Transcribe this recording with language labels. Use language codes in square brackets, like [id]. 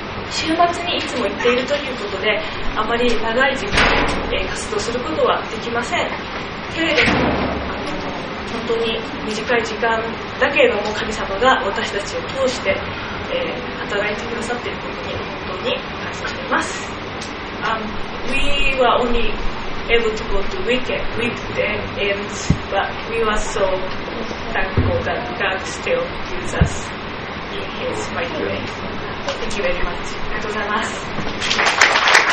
[ja] 週末にいつも行っているということで、あまり長い時間活動することはできませんけれども、本当に短い時間だけれども、神様が私たちを通して働いてくださっていることに本当に感謝しています。 [en] We were only able to go to weekend, and but we were so thankful that God still uses us in His mighty way. Thank you very much. [ja] ありがとうございます。